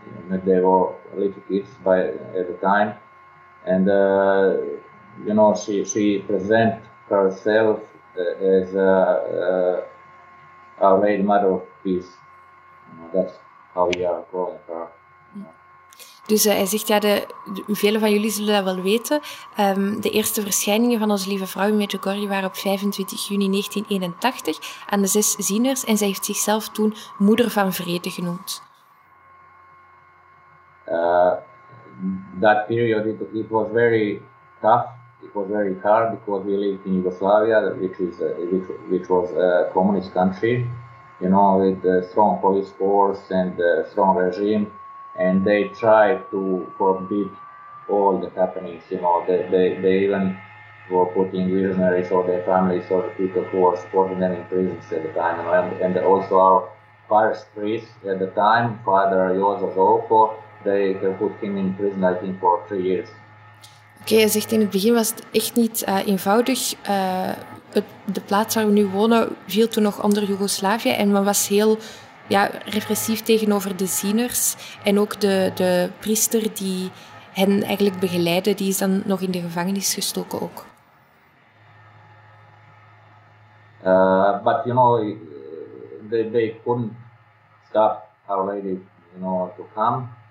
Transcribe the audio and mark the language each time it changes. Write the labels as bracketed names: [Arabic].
[English] They were little kids at the time. And, you know, she presented herself as Our Lady Mother of Peace. You know, that's how we are calling her. [Dutch] Dus hij zegt, ja, velen van jullie zullen dat wel weten. De eerste verschijningen van Onze Lieve Vrouw in Medjugorje waren op 25 juni 1981 aan de zes zieners. En zij heeft zichzelf toen Moeder van Vrede genoemd. [English] That period, it was very tough. It was very hard because we lived in Yugoslavia, which was a communist country, you know, with a strong police force and a strong regime. And they tried to forbid all the happenings, you know, they even were putting visionaries or their families or the people who were supporting them in prisons at the time. And also our parish priest at the time, Father Jozef Zolko, they put him in prison, I think, for 3 years. [Dutch] Okay, hij zegt, in het begin was het echt niet eenvoudig. De plaats waar we nu wonen viel toen nog onder Joegoslavië en men was heel, ja, repressief tegenover de zieners en ook de priester die hen eigenlijk begeleidde, die is dan nog in de gevangenis gestoken ook. [English] But you know, they couldn't stop Our Lady, you know, to come.